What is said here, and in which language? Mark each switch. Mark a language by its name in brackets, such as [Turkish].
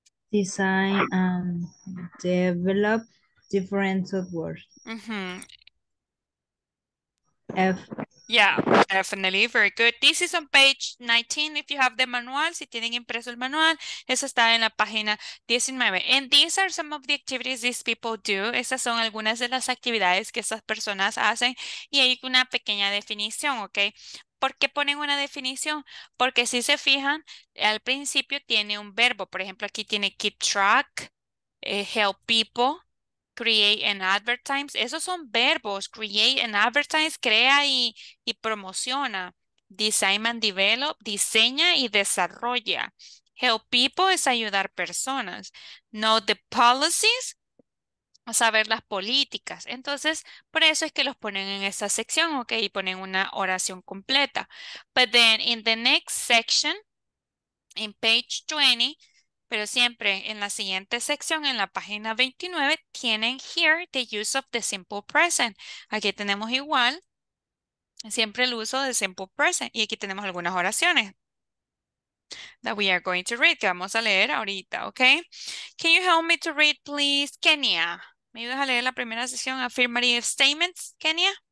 [English] Design and develop different software. F. Yeah, definitely, very good. This is on page 19, if you have the manual, [Spanish] si tienen impreso el manual, eso está en la página 19. [English] And these are some of the activities these people do. [Spanish] Estas son algunas de las actividades que estas personas hacen y hay una pequeña definición, ¿ok? ¿Por qué ponen una definición? Porque si se fijan, al principio tiene un verbo. Por ejemplo, aquí tiene [English] keep track, help people, create and advertise. [Spanish] Esos son verbos. [English] Create and advertise, [Spanish] crea y promociona. [English] Design and develop, [Spanish] diseña y desarrolla. [English] Help people [Spanish] es ayudar personas. [English] Know the policies, [Spanish] saber las políticas. Entonces, por eso es que los ponen en esta sección, ¿ok? Y ponen una oración completa. [English] But then, in the next section, in page 20, [Spanish] pero siempre en la siguiente sección, en la página 29, tienen [English] here the use of the simple present. [Spanish] Aquí tenemos igual, siempre el uso de simple present. Y aquí tenemos algunas oraciones [English] that we are going to read, [Spanish] que vamos a leer ahorita, ¿ok? [English] Can you help me to read, please, Kenya? [Spanish] ¿Me ayudas a leer la primera sección, affirmative statements, Kenya?